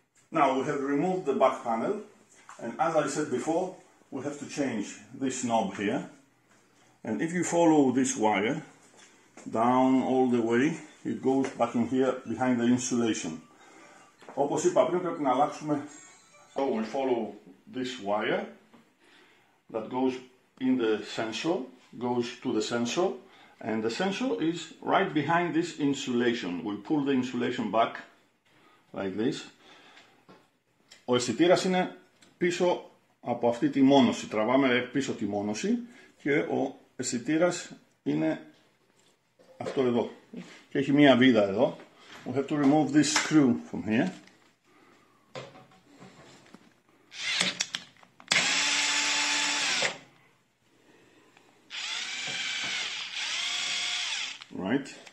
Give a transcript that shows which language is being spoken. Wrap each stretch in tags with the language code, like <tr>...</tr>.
<en>Now we have removed the back panel, and as I said before, we have to change this knob here. And if you follow this wire down all the way, it goes back in here behind the insulation.</en> <el>Όπως είπα πριν, πρέπει να αλλάξουμε.</el> <en>So we follow this wire that goes in the sensor, goes to the sensor, and the sensor is right behind this insulation. We pull the insulation back like this.</en> <el>Ο αισθητήρας είναι πίσω από αυτή τη μόνωση. Τραβάμε πίσω τη μόνωση και ο αισθητήρας είναι αυτό εδώ. Και έχει μία βίδα εδώ.</el> <en>We have to remove this screw from here. Right.</en>